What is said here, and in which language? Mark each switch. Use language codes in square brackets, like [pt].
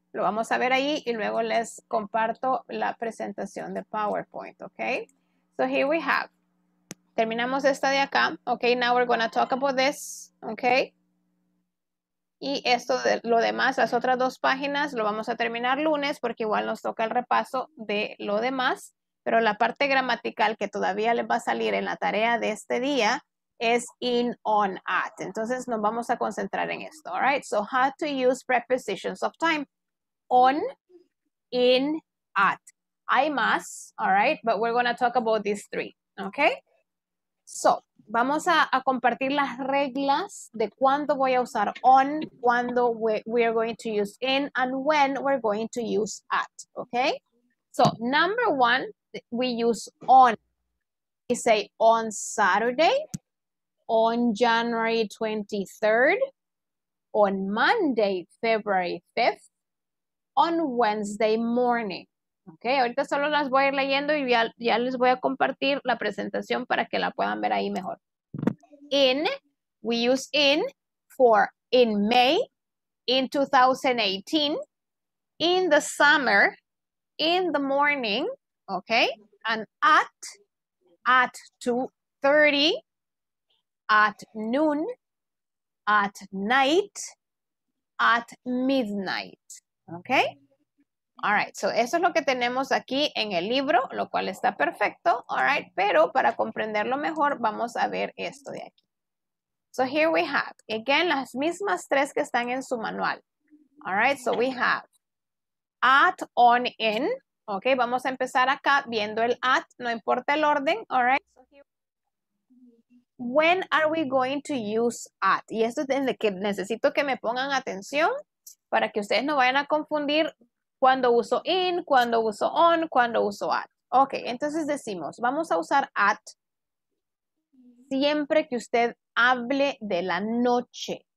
[es] Lo vamos a ver ahí y luego les comparto la presentación de PowerPoint, okay? [en] So here we have. [es] Terminamos esta de acá. [en] Okay, now we're going to talk about this, okay? [es] Y esto, de lo demás, las otras dos páginas, lo vamos a terminar lunes porque igual nos toca el repaso de lo demás. Pero la parte gramatical que todavía les va a salir en la tarea de este día es in, on, at. Entonces nos vamos a concentrar en esto, [en] all right? So how to use prepositions of time. On, in, at. I must, all right? But we're going to talk about these three, okay? So, [es] vamos a compartir las reglas de cuándo voy a usar on, cuándo [en] we are going to use in, and when we're going to use at, okay? So, number one, we use on. We say on Saturday, on January 23rd, on Monday, February 5th, on Wednesday morning. [es] Okay, ahorita solo las voy a ir leyendo y ya les voy a compartir la presentación para que la puedan ver ahí mejor. [en] In, we use in for in May, in 2018, in the summer, in the morning, okay, and at 2:30, at noon, at night, at midnight, okay? [es] All right, so eso es lo que tenemos aquí en el libro, lo cual está perfecto, all right, pero para comprenderlo mejor, vamos a ver esto de aquí. [en] So here we have, again, [es] las mismas tres que están en su manual. [en] All right, so we have at, on, in, [es] okay, vamos a empezar acá viendo el at, no importa el orden, all right. [en] So when are we going to use at? [es] Y esto es de que necesito que me pongan atención para que ustedes no vayan a confundir. ¿Cuándo uso in? ¿Cuándo uso on? ¿Cuándo uso at? Ok, entonces decimos, vamos a usar at siempre que usted hable de la noche.